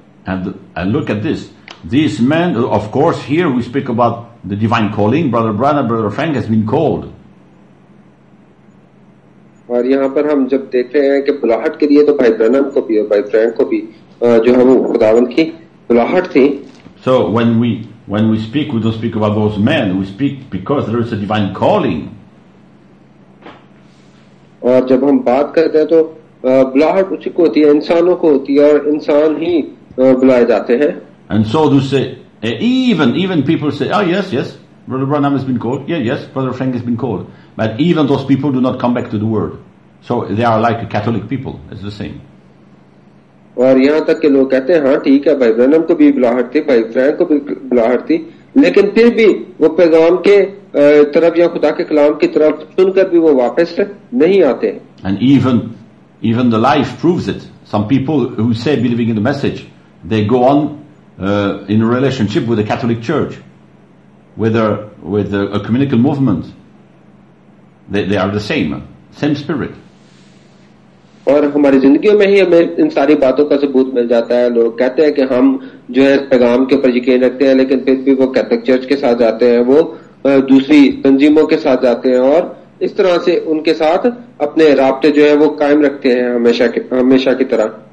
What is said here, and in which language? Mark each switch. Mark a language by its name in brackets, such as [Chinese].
[English] And look at this. These men, of course, here we speak about the divine calling. Brother Branham, Brother Frank has been called. [Hindi] और यहां पर हम जब देखते हैं कि बुलाहट के लिए तो भाई ब्रैनम को भी और भाई फ्रैंक को भी जो है वो खुदावंद की बुलाहट थी. [English] So when we speak, we don't speak about those men. We speak because there is a divine calling. [Hindi] और जब हम बात करते हैं तो बुलाहट उसी को होती है, इंसानों को होती है, और इंसान ही बुलाए जाते हैं. [English] And so do say, even people say, oh yes, Brother Branham has been called. Yeah, yes, Brother Frank has been called. But even those people do not come back to the word. So they are like a Catholic people. It's the same. [Hindi] और यहां तक के लोग कहते हैं, हाँ ठीक है, भाई ब्रैनम को भी बुलाहट थी, भाई फ्रैंक को भी बुलाहट थी, लेकिन फिर भी वो पैगाम के तरफ या खुदा के कलाम की तरफ सुनकर भी वो वापस नहीं आते. [English] And even the life proves it. Some people who say believing in the message, they go on in a relationship with the Catholic Church, with a ecumenical movement. They are the same spirit. [Hindi] और हमारी जिंदगियों में ही हमें इन सारी बातों का सबूत मिल जाता है. लोग कहते हैं कि हम जो है पैगाम के ऊपर यकीन रखते हैं, लेकिन फिर भी वो कैथोलिक चर्च के साथ जाते हैं, वो दूसरी तंजीमों के साथ जाते हैं, और इस तरह से उनके साथ अपने राबते जो है वो कायम रखते हैं हमेशा की तरह.